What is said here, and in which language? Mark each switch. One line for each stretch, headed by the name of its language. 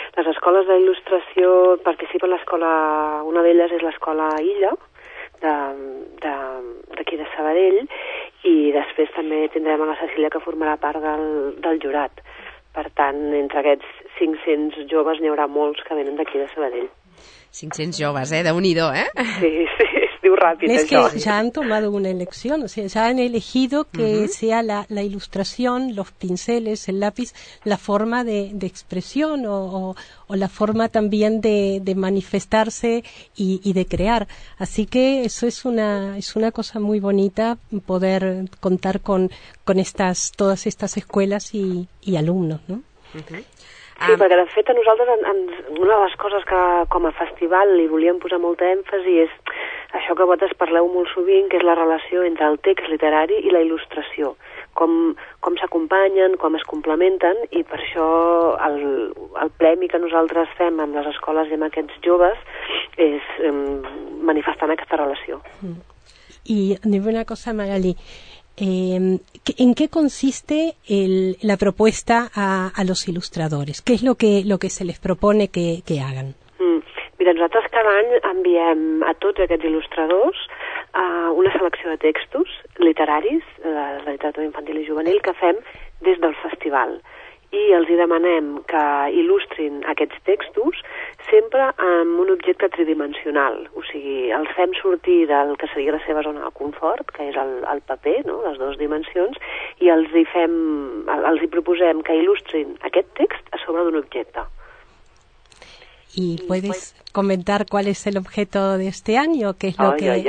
Catalan: Les escoles d'il·lustració participen l'escola, una d'elles és l'escola Illa, d'aquí de Sabadell, i després també tindrem a la Cecília, que formarà part del jurat. Per tant, entre aquests 500 joves n'hi haurà molts que venen d'aquí de Sabadell. 500 joves, déu-n'hi-do, Sí, sí, es diu ràpid, és això.
Spanish: Que ja han tomado una elección, o sea, ya han elegido que sea la ilustración, los pinceles, el lápiz, la forma de expresión o la forma también de manifestarse y de crear. Así que eso es una cosa muy bonita, poder contar con todas estas escuelas y alumnos, ¿no?
Catalan: Sí, perquè de fet a nosaltres una de les coses que com a festival li volíem posar molta èmfasi és això que vosaltres parleu molt sovint, que és la relació entre el text literari i la il·lustració. Com s'acompanyen, com es complementen, i per això el premi que nosaltres fem amb les escoles i amb aquests joves és manifestant aquesta relació. I anem una cosa, Magali.
Spanish: ¿En qué consiste la propuesta a los ilustradores? ¿Qué es lo que se les propone que hagan?
Catalan: Mira, nosaltres cada any enviem a tots aquests il·lustradors una selecció de textos literaris, la literatura infantil i juvenil, que fem des del festival. I els hi demanem que il·lustrin aquests textos sempre amb un objecte tridimensional, o sigui, els fem sortir del que seria la seva zona de confort, que és el paper, no?, les dues dimensions, i els hi proposem que il·lustrin aquest text a sobre d'un objecte.
Spanish: ¿Y puedes comentar cuál es el objeto de este any o qué es lo que...?